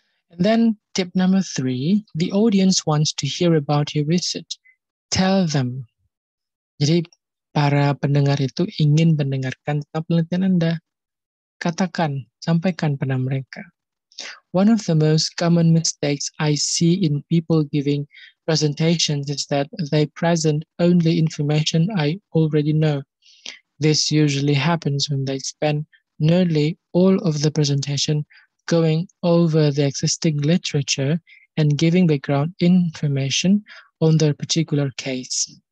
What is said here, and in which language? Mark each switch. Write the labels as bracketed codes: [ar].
[en] And then tip number 3, the audience wants to hear about your research. tell them. [id] Jadi para pendengar itu ingin mendengarkan tentang penelitian Anda. Katakan, sampaikan pada mereka. [en] One of the most common mistakes I see in people giving presentations is that they present only information I already know. This usually happens when they spend nearly all of the presentation going over the existing literature and giving background information on their particular case.